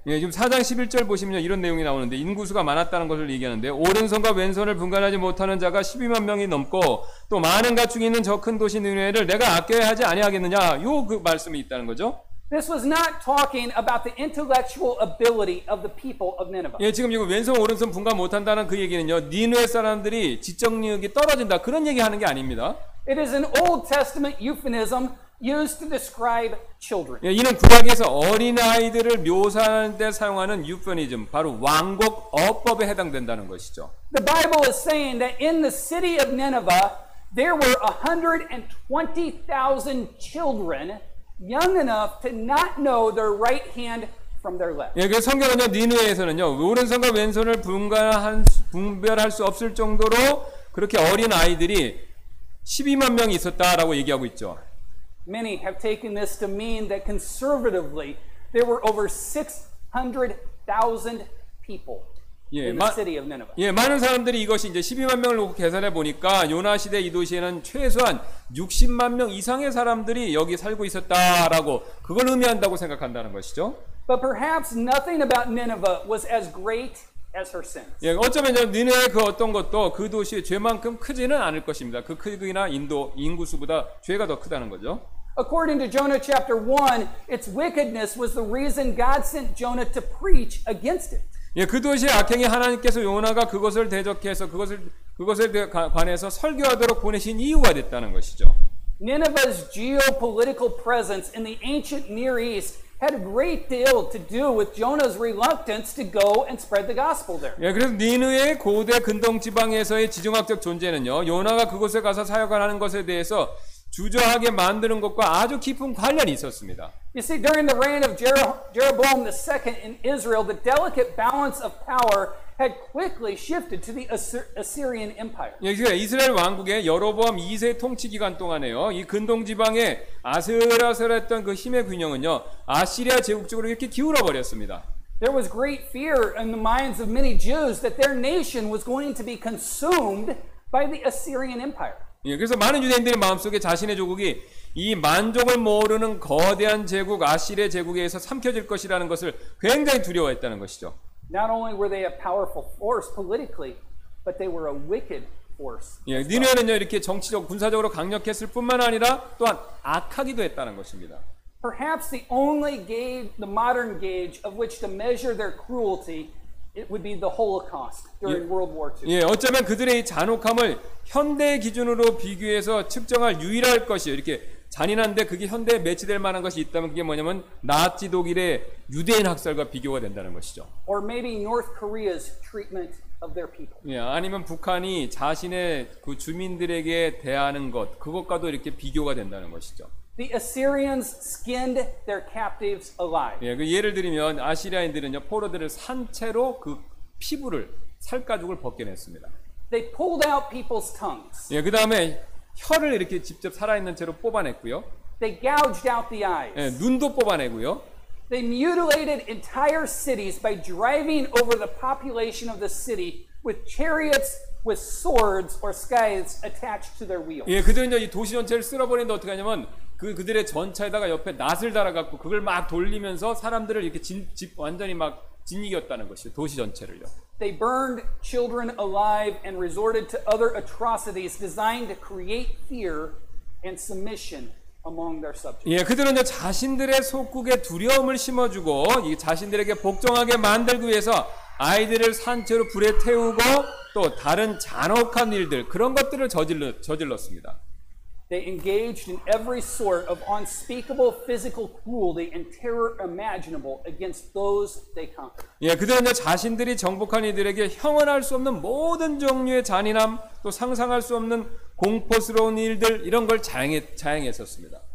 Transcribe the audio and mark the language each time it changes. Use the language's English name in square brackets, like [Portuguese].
[Korean] 예, 지금 4장 11절 보시면 이런 내용이 나오는데 인구수가 많았다는 것을 얘기하는데 오른손과 왼손을 분간하지 못하는 자가 12만 명이 넘고 또 많은 가축이 있는 저 큰 도시 니느웨를 내가 아껴야 하지 아니하겠느냐? 요 그 말씀이 있다는 거죠. [English] This was not talking about the intellectual ability of the people of Nineveh. [Korean] 예, 지금 이거 왼손 오른손 분간 못한다는 그 얘기는요. 니느웨 사람들이 지적력이 떨어진다 그런 얘기하는 게 아닙니다. [English] It is an Old Testament euphemism used to describe children. [Korean] 예, 이는 구약에서 어린 아이들을 묘사할 때 사용하는 유퍼니즘, 바로 왕국 어법에 해당된다는 것이죠. [English] The Bible is saying that in the city of Nineveh there were 120,000 children. Young enough to not know their right hand from their left. [Korean] 예, 그 성경은요, 니느웨에서는요, 오른손과 왼손을 분별할 수 없을 정도로 그렇게 어린 아이들이 12만 명이 있었다라고 얘기하고 있죠. [English] Many have taken this to mean that conservatively there were over 600,000 people. 예, in the city of Nineveh. [Korean] 예, 많은 사람들이 이것이 이제 12만 명을 놓고 계산해 보니까 요나 시대 이 도시에는 최소한 60만 명 이상의 사람들이 여기 살고 있었다라고 그걸 의미한다고 생각한다는 것이죠. [English] But perhaps nothing about Nineveh was as great as her sins. [Korean] 예, 어쩌면 니느웨 그 어떤 것도 그 도시의 죄만큼 크지는 않을 것입니다. 그 크기나 인구수보다 죄가 더 크다는 거죠. [English] According to Jonah chapter 1, its wickedness was the reason God sent Jonah to preach against it. [Korean] 예, 그 도시의 악행이 하나님께서 요나가 그것을 대적해서 그것에 관해서 설교하도록 보내신 이유가 됐다는 것이죠. [English] Nineveh's geopolitical presence in the ancient Near East had a great deal to do with Jonah's reluctance to go and spread the gospel there. [Korean] 예, 그래서 니느웨 고대 근동 지방에서의 지정학적 존재는요, 요나가 그곳에 가서 사역을 하는 것에 대해서 주저하게 만드는 것과 아주 깊은 관련이 있었습니다. [English] You see, during the reign of Jeroboam II in Israel, the delicate balance of power had quickly shifted to the Assyrian Empire. [Korean] 예, 그러니까 이스라엘 왕국의 여로보암 2세 통치 기간 동안에요, 이 근동 지방의 아슬아슬했던 그 힘의 균형은요, 아시리아 제국 쪽으로 이렇게 기울어 버렸습니다. [English] There was great fear in the minds of many Jews that their nation was going to be consumed by the Assyrian Empire. [Korean] 예, 그래서 많은 유대인들의 마음속에 자신의 조국이 이 만족을 모르는 거대한 제국 아시리아 제국에서 삼켜질 것이라는 것을 굉장히 두려워했다는 것이죠. [English] Not only were they a powerful force politically, but they were a wicked force. [Korean] 예, 니느웨는요 이렇게 정치적 군사적으로 강력했을 뿐만 아니라 또한 악하기도 했다는 것입니다. [English] Perhaps the only gauge, the modern gauge of which to measure their cruelty, it would be the Holocaust during 예, World War II. [Korean] 예, 어쩌면 그들의 이 잔혹함을 현대 기준으로 비교해서 측정할 유일할 것이 이렇게 잔인한데 그게 현대에 매치될 만한 것이 있다면 그게 뭐냐면 나치 독일의 유대인 학살과 비교가 된다는 것이죠. [English] Or maybe North Korea's treatment of their people. [Korean] 예, 아니면 북한이 자신의 그 주민들에게 대하는 것 그것과도 이렇게 비교가 된다는 것이죠. [English] The Assyrians skinned their captives alive. [Korean] 예, 그 예를 들면 아시리아인들은요 포로들을 산 채로 그 피부를 살가죽을 벗겨냈습니다. [English] They pulled out people's tongues. [Korean] 예, 그 다음에 혀를 이렇게 직접 살아있는 채로 뽑아냈고요. [English] They gouged out the eyes. [Korean] 예, 눈도 뽑아내고요. [English] They mutilated entire cities by driving over the population of the city with chariots with swords or scythes attached to their wheels. [Korean] 예, 그들은 이제 도시 전체를 쓸어버리는데 어떻게 하냐면 그들의 전차에다가 옆에 낫을 달아갖고 그걸 막 돌리면서 사람들을 이렇게 완전히 막 짓이겼다는 것이 도시 전체를요. [English] They burned children alive and resorted to other atrocities designed to create fear and submission among their subjects. [Korean] 예, 그들은 이제 자신들의 속국에 두려움을 심어주고 이 자신들에게 복종하게 만들기 위해서 아이들을 산채로 불에 태우고 또 다른 잔혹한 일들 그런 것들을 저질렀습니다. [English] They engaged in every sort of unspeakable physical cruelty and terror imaginable against those they conquered. [Korean] 예, 그들은 자신들이 정복한 이들에게 형언할 수 없는 모든 종류의 잔인함 또 상상할 수 없는 공포스러운 일들 이런 걸 자행했었습니다.